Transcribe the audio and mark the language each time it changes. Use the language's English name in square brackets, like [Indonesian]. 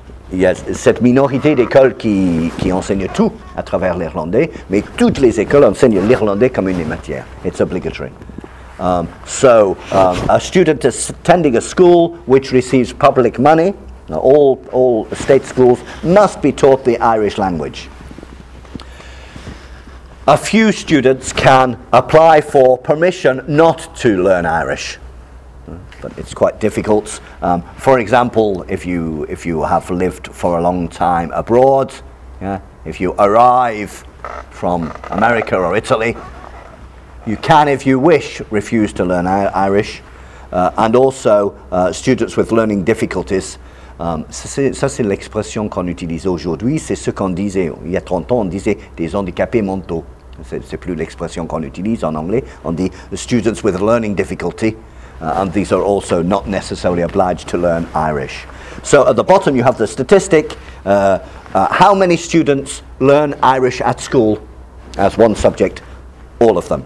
[French] Il y a cette minorité d'écoles qui enseigne tout à travers l'irlandais, mais toutes les écoles enseignent l'irlandais comme une des matières. [English] It's obligatory. A student attending a school which receives public money, all state schools, must be taught the Irish language. A few students can apply for permission not to learn Irish, but it's quite difficult. For example, if you have lived for a long time abroad, if you arrive from America or Italy, you can, if you wish, refuse to learn Irish. And also, students with learning difficulties. [French] Ça c'est l'expression qu'on utilise aujourd'hui. C'est ce qu'on disait il y a 30 ans. On disait des handicapés mentaux. C'est plus l'expression qu'on utilise en anglais. On dit [English] students with learning difficulty, and these are also not necessarily obliged to learn Irish. So at the bottom you have the statistic, how many students learn Irish at school as one subject, all of them.